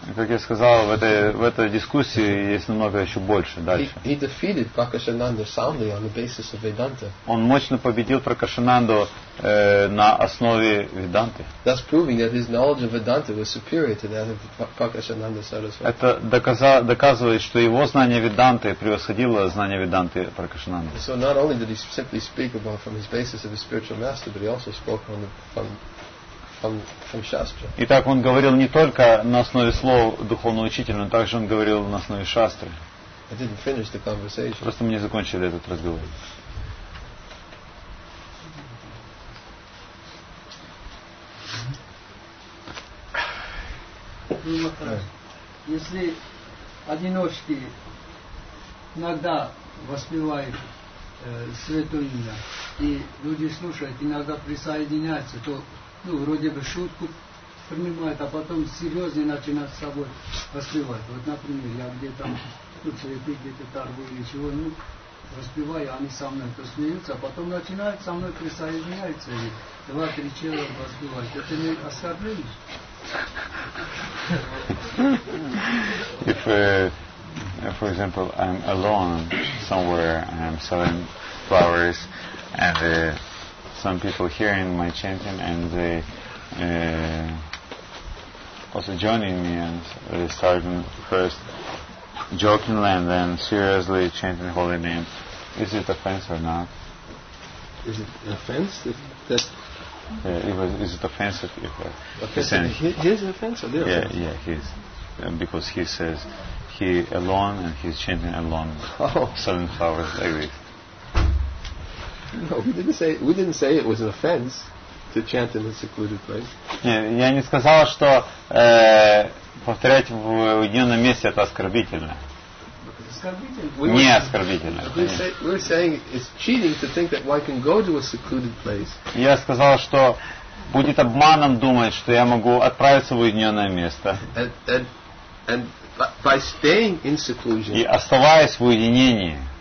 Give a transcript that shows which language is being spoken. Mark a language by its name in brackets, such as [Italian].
[Russian] Как я сказал, в этой дискуссии есть намного еще больше дальше. [English] He defeated Prakashananda soundly on the basis of Vedanta. [Russian] Он мощно победил Пракашананду на основе Веданты. [English] Thus proving that his knowledge of Vedanta was superior to that of Prakashananda Saraswati. [Russian] Это доказывает, что его знание Веданты превосходило знание Веданты Пракашананды. [English] So not only did he simply speak about from his basis of his spiritual master, but he also spoke on the from Shastra. [Russian] Итак, он говорил не только на основе слов духовного учителя, но также он говорил на основе Шастры. [English] I didn't finish the conversation. [Russian] Просто мы не закончили этот разговор. Если одиночки иногда воспевают святое имя, и люди слушают, иногда присоединяются, то вроде бы шутку принимают, а потом серьезно начинают с собой воспевать. Вот, например, я где-то цветы, где-то торгую, ничего, воспеваю, они со мной то смеются, а потом начинают со мной присоединяются и 2-3 человека воспевать. Это не оскорбление? [English] If, for example, I'm alone somewhere and I'm selling flowers, and some people hearing my chanting and they also joining me and starting first jokingly and then seriously chanting holy name, is it offense or not? Is it offense that? Is it offensive if offensive. He's offensive? Yeah, offensive. Yeah, he's because he says he alone and he's chanting alone, selling flowers like this. No, we didn't say it was an offense to chant in a secluded place. [Russian] Нет, я не сказал, что повторять в уединенном месте это оскорбительно. Не оскорбительно. [English] We're saying it's cheating to think that one can go to a secluded place. [Russian] Я сказал, что будет обманом думать, что я могу отправиться в уединенное место. [English] and by staying in seclusion, [Russian] и оставаясь в уединении,